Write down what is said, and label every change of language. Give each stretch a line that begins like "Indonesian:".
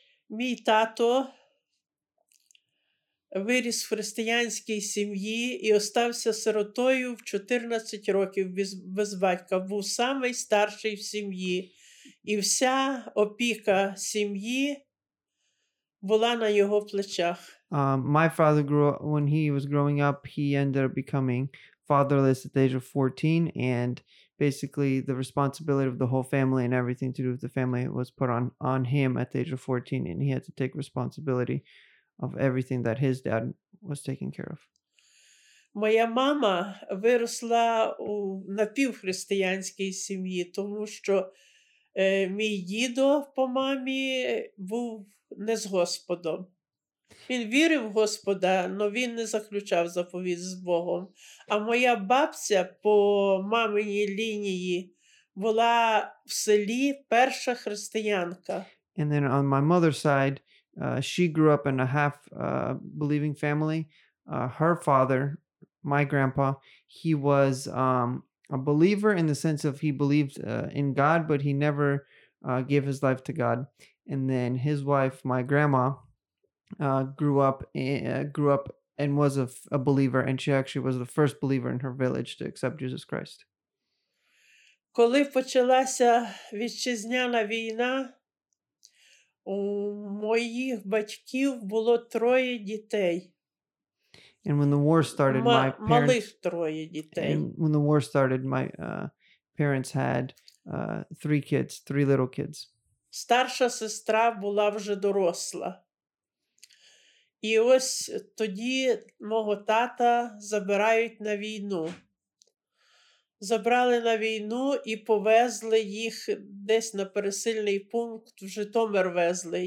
Ukrainian: my tato виріс в християнській сім'ї і остався сиротою в 14 років без батька. Був самий старший в сім'ї. І вся опіка сім'ї була на його плечах.
English: My father grew up, when he was growing up, he ended up becoming fatherless at the age of 14, and basically the responsibility of the whole family and everything to do with the family was put on him at the age of 14, and he had to take responsibility of everything that his dad was taking care of.
Ukrainian: Моя мама виросла у напівхристиянській сім'ї, тому що мій дідо по мамі був не з Господом. Він вірив в Господа, але він не заключав заповідь з Богом. А моя бабця по маминій лінії була в селі перша християнка.
English: And then on my mother's side, she grew up in a half believing family. Her father, my grandpa, he was a believer in the sense of he believed in God, but he never gave his life to God. And then his wife, my grandma, grew up and was a believer, and she actually was the first believer in her village to accept Jesus Christ.
Ukrainian: Коли почалася вітчизняна війна, у моїх батьків було троє дітей.
English: And when the war started, my parents,
Ukrainian: малих троє дітей.
English: And when the war started, my parents had three little kids.
Ukrainian: Старша сестра була вже доросла. І ось тоді мого тата забирають на війну. Забрали на війну і повезли їх десь на пересильний пункт, в Житомир везли.